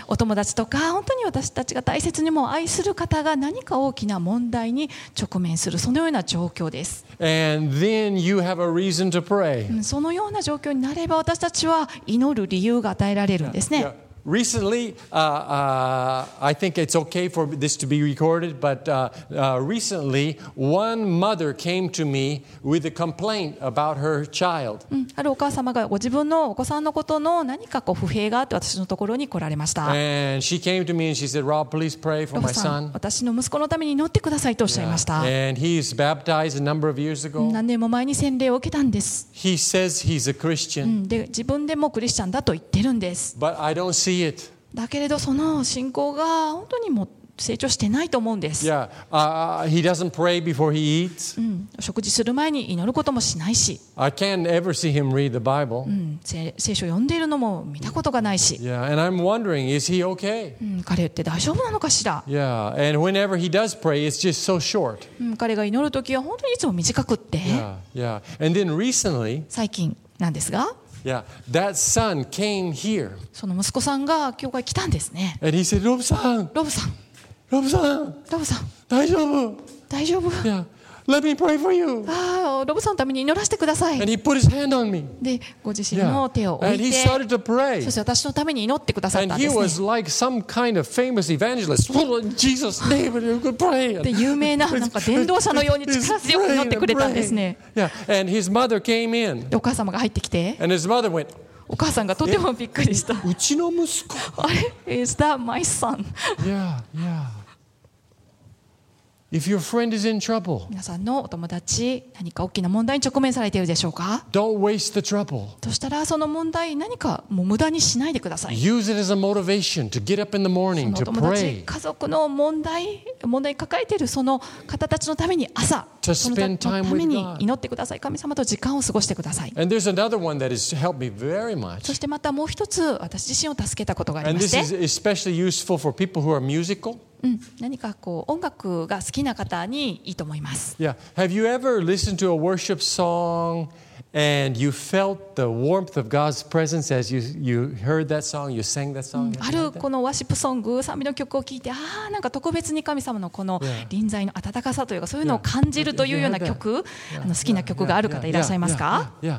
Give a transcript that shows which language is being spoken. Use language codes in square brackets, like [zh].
[ja] お友達とか本当に私たちが大切にも愛する方が何か大きな問題に直面するそのような状況です。 [en] And then you have a reason to pray. [ja] そのような状況になれば私たちは祈る理由が与えられるんですね。 [en] Yeah, yeah. Recently, I think it's okay for this to be recorded, but recently, one mother came to me with a complaint about her child. [ja] あるお母様がご自分のお子さんのことの何かこう不平があって私のところに来られました。 [en] And she came to me and she said, Rob, please pray for my son. [ja] 私の息子のために祈ってくださいとおっしゃいました。 [en] Yeah. And he's baptized a number of years ago. [ja] 何年も前に洗礼を受けたんです。 [en] He says he's a Christian. [ja] で、自分でもクリスチャンだと言ってるんです。 [en] But I don't see it. [ja] だけれどその信仰が本当にも成長してないと思うんです。 [en] Yeah. He doesn't pray before he eats. [ja] 食事する前に祈ることもしないし。 [en] I can't ever see him read the Bible. [ja] 聖書を読んでいるのも見たことがないし。 [en] Yeah. And I'm wondering, is he okay? [ja] 彼って大丈夫なのかしら。 [en] Yeah. And whenever he does pray, it's just so short. [ja] 彼が祈るときは本当にいつも短くって。 [en] Yeah. And then recently. [ja] 最近なんですが。 [en] Yeah, that son came here. [ja] その息子さんが教会に来たんですね。 [en] And he said, Rob さん、 [ja] ロブさん、ロブさん、ロブさん、大丈夫、大丈夫。 [en] Yeah, let me pray for you. [ja] ロブさんのために祈らせてください。 [en] And he put his hand on me. [ja] で、ご自身の手を置いて、 [en] yeah. And he started to pray. [ja] そして私のために祈ってくださったんですね。 [en] And he was like some kind of famous evangelist. Well, in Jesus' name, you could pray. [ja] で、有名な、なんか伝道者のように力強く祈ってくれたんですね。 [en] Yeah, and his mother came in. [ja] お母様が入ってきて、 [en] And his mother went, [ja] お母さんがとてもびっくりした。うちの息子。あれ [en] ？Is that my son? Yeah, yeah. If your friend is in trouble, [ja] 皆さんのお友達何か大きな問題に直面されているでしょうか [en] ？Don't waste the trouble. [ja] としたらその問題何かもう無駄にしないでください。 [en] Use it as a motivation to get up in the morning to pray. [ja] その友達家族の問題抱えているその方たちのために朝。 [en] To spend time with God. [ja] 祈ってください。神様と時間を過ごしてください。 [en] And there's another one that has helped me very much. [ja] そしてまたもう一つ私自身を助けたことがありまして。 [en] And this is especially useful for people who are musical. [ja] 何かこう音楽が好きな方にいいと思います。 [en] Yeah. Have you ever listened to a worship song and you felt the warmth of God's presence as you heard that song, you sang that song? [ja] あるこのワシップソング、賛美の曲を聴いて、ああなんか特別に神様のこの臨在の温かさというかそういうのを感じるというような曲、好きな曲がある方いらっしゃいますか？